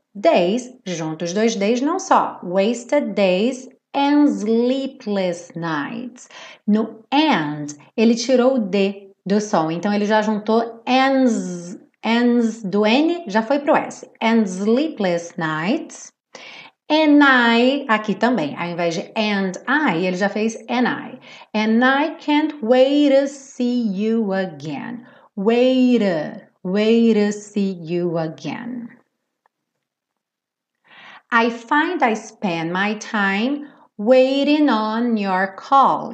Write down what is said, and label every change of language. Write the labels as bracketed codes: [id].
[pt] days, juntos dois days, não só. [en] Wasted days and sleepless nights. [pt] No and, ele tirou o D do som. Então, ele já juntou ands do N, já foi pro S. [en] And sleepless nights. And I, [pt] aqui também, ao invés de [en] and I, [pt] ele já fez [en] and I. And I can't wait to see you again. Wait to see you again. I find I spend my time waiting on your call.